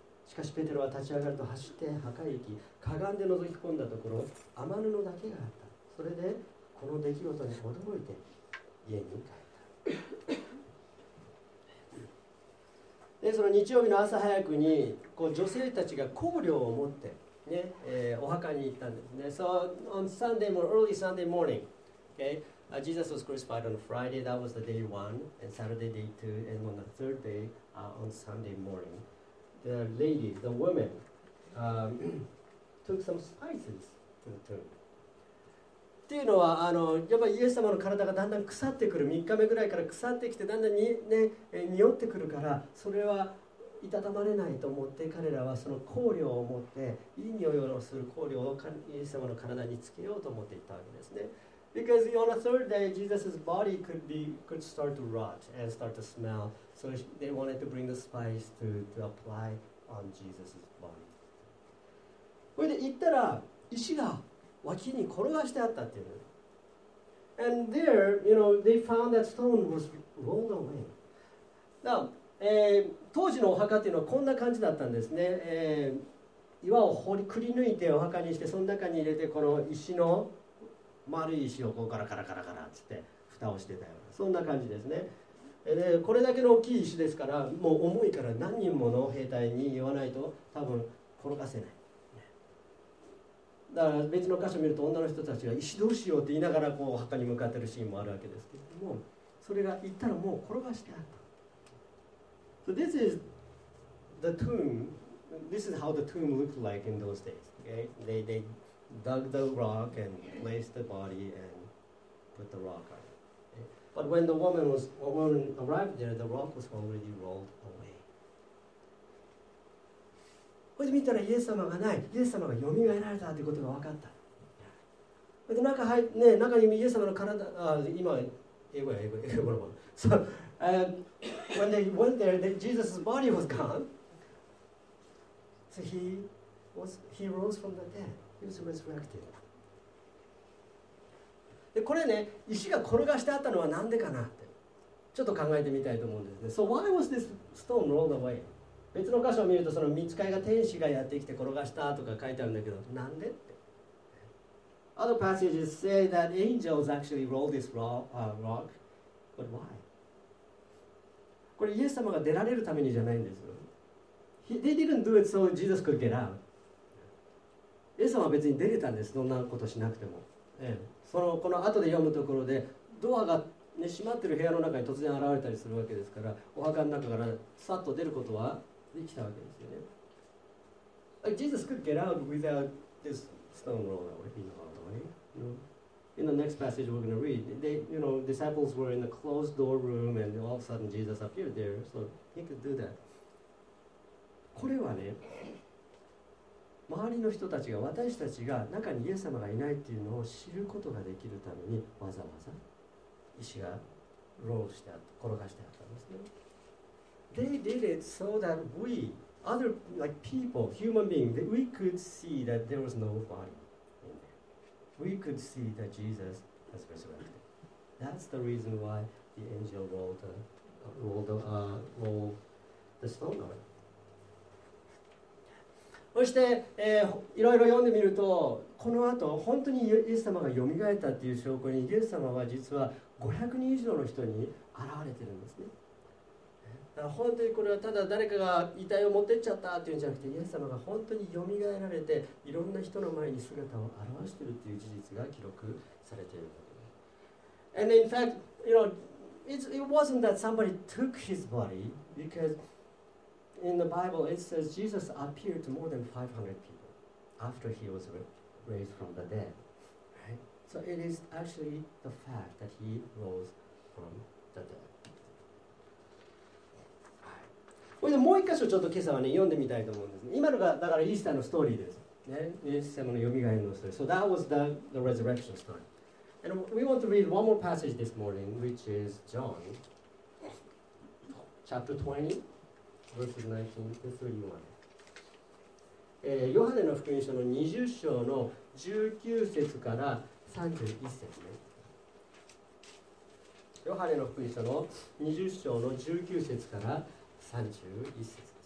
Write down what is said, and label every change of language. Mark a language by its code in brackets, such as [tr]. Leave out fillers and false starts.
[ja] しかしペテロは立ち上がると走って墓へ行き、かがんで覗き込んだところ雨布だけがあった。それでこの出来事に驚いて家に帰った。でその日曜日の朝早くに、こう女性たちが香料を持って、ねお墓に行ったんですね。 [en] So on Sunday, early Sunday morning, okay, Jesus was crucified on Friday, that was the day one, and Saturday day two, and on the third day, on Sunday morning, the lady, the woman, took some spices to the tomb. [ja] っていうのはやっぱりイエス様の体がだんだん腐ってくる、3日目ぐらいから腐ってきてだんだんに、ね、匂ってくるから、それはいたたまれないと思って、彼らはその香料を持って、いい匂いをする香料をイエス様の体につけようと思っていたわけですね。 [en] Because on a third day Jesus' body could start to rot and start to smell, so they wanted to bring the spice to apply on Jesus' body. [ja] それで行ったら石が脇に転がしてあったっていう。 [en] And there, you know, they found that stone was rolled away. [ja] Now, 当時のお墓っていうのはこんな感じだったんですね。岩を掘りくり抜いてお墓にして、その中に入れて、この石の丸い石をここからカラカラカラって蓋をしてたような、そんな感じですね。でこれだけの大きい石ですから、もう重いから何人もの兵隊に言わないと多分転がせない。だから別の箇所を見ると女の人たちが石どうしようって言いながらこう墓に向かっているシーンもあるわけですけれども、それが行ったらもう転がしてあった。 [en] So this is the tomb. This is how the tomb looked like in those days. Okay, they dug the rock and placed the body and put the rock on it. But when the woman arrived there, the rock was already rolled away. [ja] これで見たらイエス様がない、イエス様がよみがえられたということが分かった。で 中にイエス様の体、今、英語。 [en] So, when they went there, Jesus' body was gone. So he rose from the dead. He was resurrected. [ja] で、これね、石が転がしてあったのは何でかなって、ちょっと考えてみたいと思うんですね。 [en] So why was this stone rolled away? [ja] 別の箇所を見ると、その御使いが天使がやってきて転がしたとか書いてあるんだけど、なんでって。 [en] Other passages say that angels actually rolled this rock, but why? [ja] これイエス様が出られるためにじゃないんですよ。 [en] They didn't do it so Jesus could get out. [ja] イエス様は別に出れたんです、どんなことしなくても、この後で読むところでドアがね、閉まってる部屋の中に突然現れたりするわけですから、お墓の中からさっと出ることはできたわけですよね。 [en] Like Jesus could get out without this stone rolling away, you know, right? In the next passage we're going to read, disciples were in a closed door room and all of a sudden Jesus appeared there, so he could do that. [ja] これはね、周りの人たちが、私たちが中にイエス様がいないっていうのを知ることができるために、わざわざ石がロールしてあった、転がしてあったんですね。 [en] They did it so that we, other like people, human beings, we could see that there was no body in there. We could see that Jesus has resurrected. That's the reason why the angel rolled the stone away. [ja] そして、いろいろ読んでみると、この後本当にイエス様が蘇ったという証拠に、イエス様は実は500人以上の人に現れているんですね。だから本当にこれはただ誰かが遺体を持ってっちゃったというんじゃなくて、イエス様が本当に蘇られて、いろんな人の前に姿を現しているという事実が記録されている。 [en] And in fact, you know, it wasn't that somebody took his body, because in the Bible it says Jesus appeared to more than 500 people after he was raised from the dead. Right? So it is actually the fact that he rose from the dead. [ja] これでもう一箇所ちょっと今朝はね読んでみたいと思うんです、ね。今のがだからイースターのストーリーです。ね、イエス様の蘇りのストーリー。 [en] So that was the resurrection story. And we want to read one more passage this morning, which is John, chapter 20, verses 19 to 31. [ja] ヨハネの福音書の20章の19節から31節ね。ヨハネの福音書の20章の19節から31節。